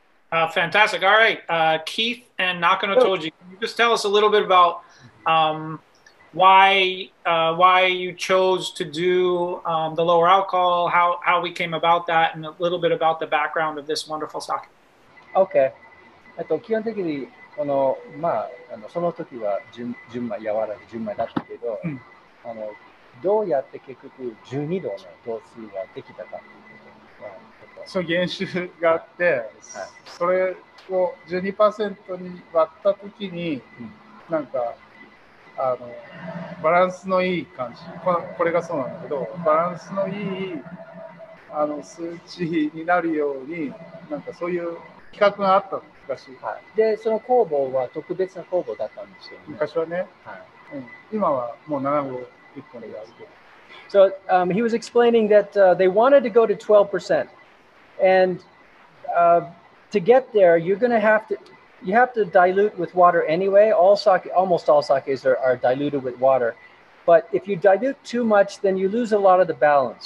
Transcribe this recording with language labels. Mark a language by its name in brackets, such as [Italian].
[English] Fantastic. All right. Keith and Nakano Toji, can you just tell us a little bit about why you chose to do the lower alcohol, how we came about that, and a little bit about the background of this wonderful sake? Okay. [Japanese] その時は純米、柔らかい純米だったけど、どうやって結局12度の同数ができたかっていうことは、そう、原酒があって、はいはい、それを 12% に割った時に、うん、なんかあのバランスのいい感じ、これがそうなんだけど、バランスのいいあの数値になるように、なんかそういう企画があったの昔、はい、でその酵母は特別な酵母だったんですよ、ね、昔はね、はい、うん、今はもう7号1本であるけど、 [English] So、he was explaining that、they wanted to go to 12% and、to get there you're going to have toYou have to dilute with water anyway. All sake, almost all sakes are diluted with water. But if you dilute too much, then you lose a lot of the balance.